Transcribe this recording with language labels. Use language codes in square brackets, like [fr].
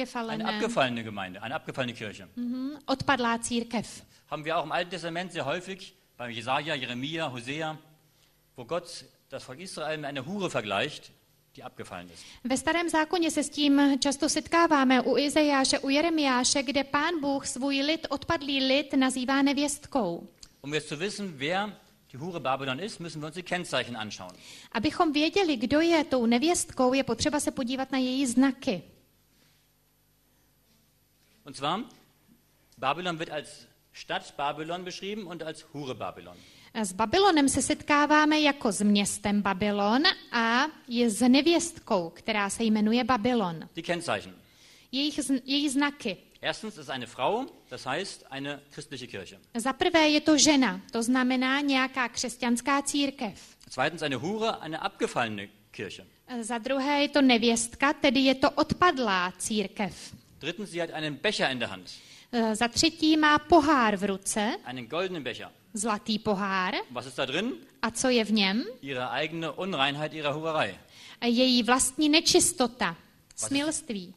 [de] Eine abgefallene Gemeinde, eine abgefallene Kirche. [cs] Mm-hmm. Odpadlá církev. [de] Haben wir auch im Alten Testament sehr häufig, bei Jesaja, Jeremia, Hosea, wo Gott das Volk Israel mit einer Hure vergleicht, die abgefallen ist. [cs] Ve starém zákoně se s tím často setkáváme u Izajáše, u Jeremiáše, kde Pán Bůh svůj lid, odpadlý lid, nazývá nevěstkou. [de] Um jetzt zu wissen, wer die Hure Babylon ist, müssen wir uns die Kennzeichen anschauen. [cs] Abychom věděli, kdo je tou nevěstkou, je potřeba se podívat na její znaky. [de] Und zwar, Babylon wird als Stadt Babylon beschrieben und als Hure Babylon. [cs] S Babylonem se setkáváme jako s městem Babylon a je s nevěstkou, která se jmenuje Babylon. [de] Die Kennzeichen. [cs] Její znaky. [de] Erstens ist eine Frau, das heißt eine christliche Kirche. [cs] Za prvé je to žena, to znamená nějaká křesťanská církev. [de] Zweitens eine Hure, eine abgefallene Kirche. [cs] Za druhé je to nevěstka, tedy je to odpadlá církev. [de] Drittens, sie hat einen Becher in der Hand. [cs] Za třetí má pohár v ruce. [de] Einen goldenen Becher. [cs] Zlatý pohár. [de] Was ist da drin? [cs] A co je v něm? [de] Ihre eigene Unreinheit, ihre Hurerei. [cs] Její vlastní nečistota, smilství.